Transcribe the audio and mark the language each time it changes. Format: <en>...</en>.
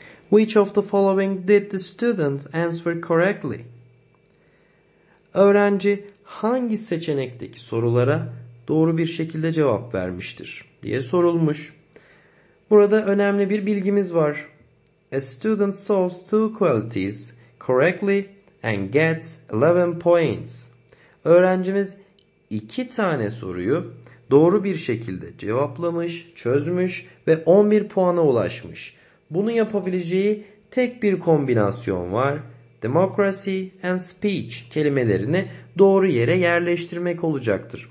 <en>Which of the following did the student answer correctly?</en> <tr>Öğrenci hangi seçenekteki sorulara doğru bir şekilde cevap vermiştir diye sorulmuş. Burada önemli bir bilgimiz var.</tr> <en>A student solves two qualities correctly and gets 11 points.</en> <tr>Öğrencimiz iki tane soruyu doğru bir şekilde cevaplamış, çözmüş ve 11 puana ulaşmış. Bunu yapabileceği tek bir kombinasyon var.</tr> <en>Democracy and speech</en> <tr>kelimelerini doğru yere yerleştirmek olacaktır.</tr>